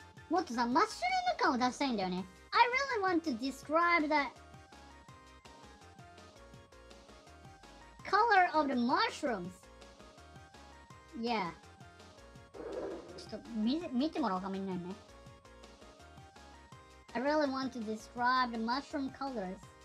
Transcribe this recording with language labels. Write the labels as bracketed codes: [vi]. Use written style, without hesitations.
[ja] もっとさ、マッシュルーム感を出したいんだよね。 [en] I really want to describe the color of the mushrooms. Yeah. [ja] ちょっと見てもらおうか、みんなにね。 [en] I really want to describe the mushroom colors.